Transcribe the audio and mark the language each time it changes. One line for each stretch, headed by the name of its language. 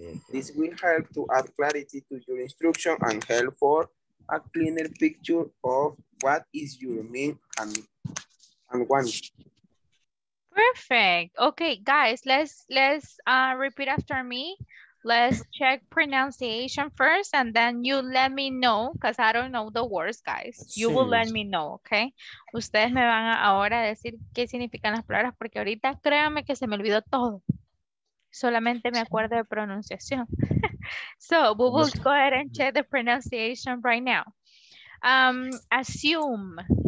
English: This will help to add clarity to your instruction and help for a cleaner picture of what is your mean and want. Perfect. Okay, guys, let's repeat after me. Let's check pronunciation first, and then you let me know, because I don't know the words, guys. You will let me know, okay?
Spanish: Ustedes me van ahora a decir qué significan las palabras, porque ahorita créanme que se me olvidó todo. Solamente me acuerdo de pronunciación.
English: So, we will go ahead and check the pronunciation right now. Assume.